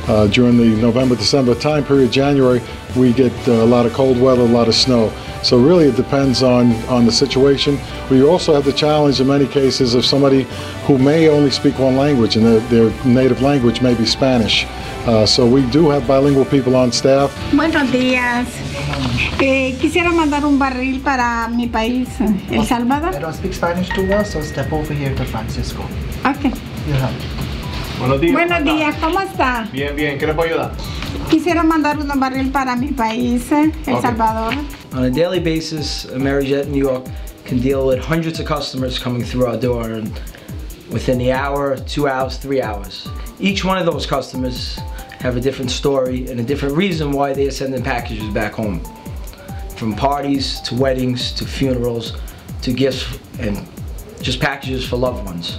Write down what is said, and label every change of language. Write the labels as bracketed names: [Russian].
[English] During the November, December time period, January, we get a lot of cold weather, a lot of snow. So really it depends on the situation. We also have the challenge in many cases of somebody who may only speak one language, and their native language may be Spanish. So we do have bilingual people on staff. [Spanish] Buenos días. Quisiera mandar un barril para mi país, El Salvador. [English] I don't speak Spanish too well, so step over here to Francisco. Okay. [Spanish] Yeah. Buenos días. Buenos días, ¿cómo está? Bien, bien. ¿Qué le puedo ayudar? Quisiera mandar un barril para mi país, El Salvador. [English] On a daily basis, Amerijet New York can deal with hundreds of customers coming through our door and within the hour, 2 hours, 3 hours. Each one of those customers have a different story and a different reason why they are sending packages back home. From parties, to weddings, to funerals, to gifts, and just packages for loved ones.